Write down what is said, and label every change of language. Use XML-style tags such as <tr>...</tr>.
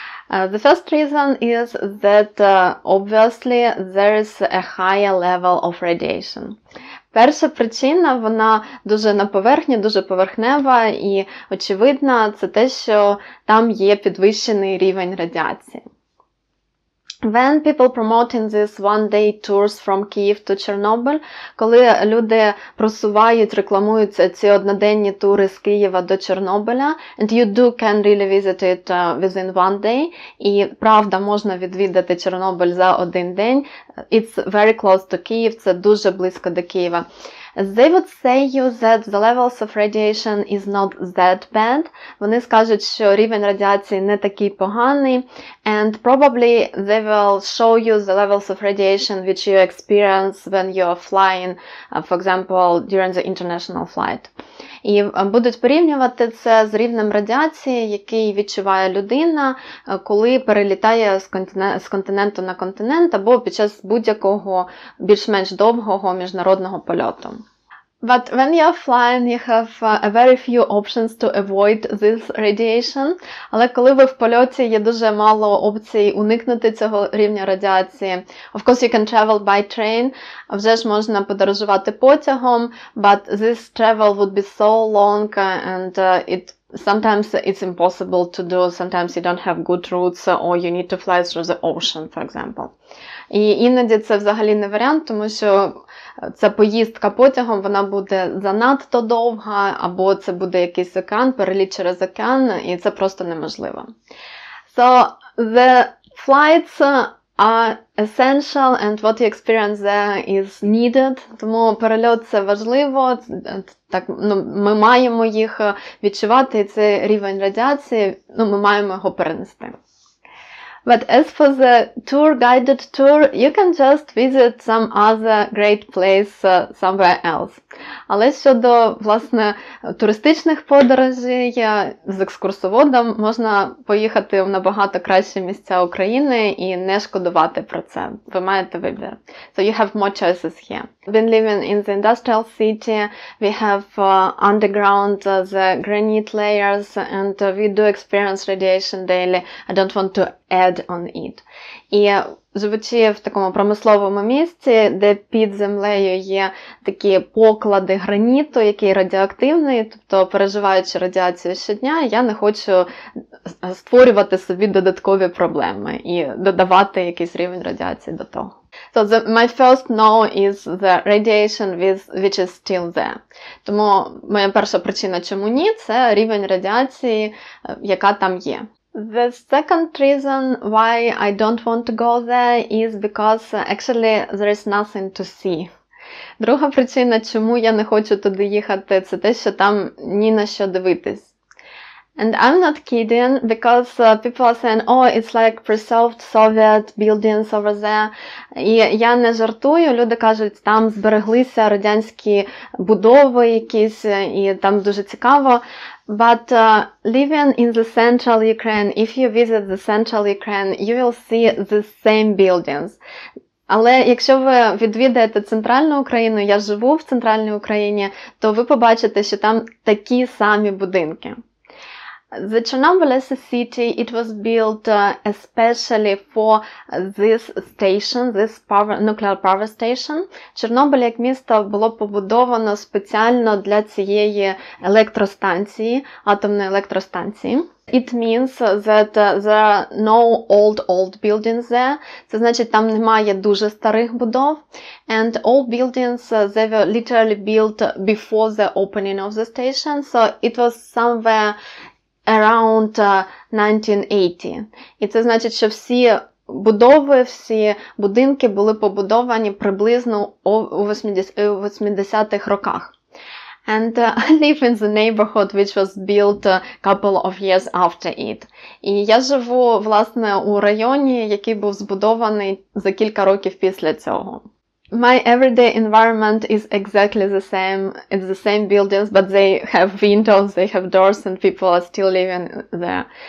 <en>The first reason is that, obviously, there is a higher level of radiation.</en> <uk>Перша причина, вона дуже на поверхні, дуже поверхнева і очевидна, це те, що там є підвищений рівень радіації.</uk> <en>When people promoting these one-day tours from Kyiv to Chernobyl,</en> <uk>коли люди просувають, рекламуються ці одноденні тури з Києва до Чорнобиля,</uk> <en>and you do can really visit it within one day,</en> <uk>і правда можна відвідати Чорнобиль за один день,</uk> <en>it's very close to Kyiv,</en> <uk>це дуже близько до Києва.</uk> <en>They would say you that the levels of radiation is not that bad.</en> <uk>Вони скажуть, що рівень радіації не такий поганий.</uk> <en>And probably they will show you the levels of radiation which you experience when you are flying, for example, during the international flight.</en> <uk>І будуть порівнювати це з рівнем радіації, який відчуває людина, коли перелітає з континенту на континент або під час будь-якого більш-менш довгого міжнародного польоту.</uk> <en>But when you're flying, you have a very few options to avoid this radiation.</en> <uk>Але коли ви в польоті, є дуже мало опцій уникнути цього рівня радіації.</uk> <en>Of course, you can travel by train.</en> <uk>Вже ж можна подорожувати потягом.</uk> <en>But this travel would be so long and sometimes it's impossible to do. Sometimes you don't have good routes or you need to fly through the ocean, for example.</en> <uk>І іноді це взагалі не варіант, тому що ця поїздка потягом, вона буде занадто довга, або це буде якийсь океан, переліт через океан, і це просто неможливо.</uk> <en>So, the flights are essential, and what you experience there is needed.</en> <uk>Тому перельот – це важливо, так, ну, ми маємо їх відчувати, і цей рівень радіації, ну, ми маємо його перенести.</uk> <en>But as for the tour, guided tour, you can just visit some other great place somewhere else.</en> <uk>Але щодо, власне, туристичних подорожей з екскурсоводом, можна поїхати в набагато кращі місця України і не шкодувати про це. Ви маєте вибір.</uk> <en>So you have more choices here. We've been living in the industrial city, we have underground the granite layers, and we do experience radiation daily. I don't want to add on it.</en> <uk>І звучи в такому промисловому місці, де під землею є такі поклади граніту, який радіоактивний, тобто переживаючи радіацію щодня, я не хочу створювати собі додаткові проблеми і додавати якийсь рівень радіації до того.</uk> <en>So the, my first no is the radiation which is still there.</en> <uk>Тому моя перша причина, чому ні, це рівень радіації, яка там є.</uk> <en>The second reason why I don't want to go there is because actually there is nothing to see.</en> <uk>Друга причина, чому я не хочу туди їхати, це те, що там ні на що дивитись.</uk> <en>And I'm not kidding, because people are saying, oh, it's like preserved Soviet buildings over there.</en> <uk>І я не жартую, люди кажуть, там збереглися радянські будови якісь, і там дуже цікаво.</uk> <en>But living in the central Ukraine, if you visit the central Ukraine, you will see the same buildings.</en> <uk>Але якщо ви відвідаєте центральну Україну, я живу в центральній Україні, то ви побачите, що там такі самі будинки.</uk> <en>The Chernobyl city, it was built especially for this station, this power, nuclear power station.</en> <uk>Чорнобиль як місто було побудовано спеціально для цієї електростанції, атомної електростанції.</uk> <en>It means that there are no old buildings there.</en> <uk>Це значить, там немає дуже старих будов.</uk> <en>And all buildings, they were literally built before the opening of the station. So it was somewhere around 1980.</en> <uk>І це значить, що всі будови, всі будинки були побудовані приблизно у 80-х роках.</uk> <en>And I live in the neighborhood which was built a couple of years after it.</en> <uk>І я живу, власне, у районі, який був збудований за кілька років після цього.</uk> <en>My everyday environment is exactly the same. It's the same buildings, but they have windows, they have doors, and people are still living there.</en>